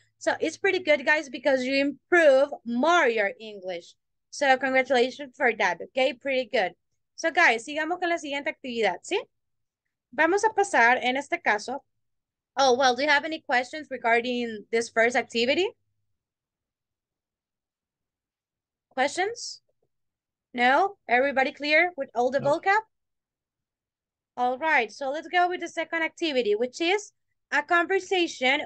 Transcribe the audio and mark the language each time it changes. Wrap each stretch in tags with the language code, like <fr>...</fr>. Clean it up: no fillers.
<en>So it's pretty good, guys, because you improve more your English. So congratulations for that, okay? Pretty good. So guys,</en> <es>sigamos con la siguiente actividad, ¿sí? Vamos a pasar en este caso.</es> <en>Oh, well, do you have any questions regarding this first activity? Questions? No? Everybody clear with all the vocab? All right, so let's go with the second activity, which is a conversation.</en>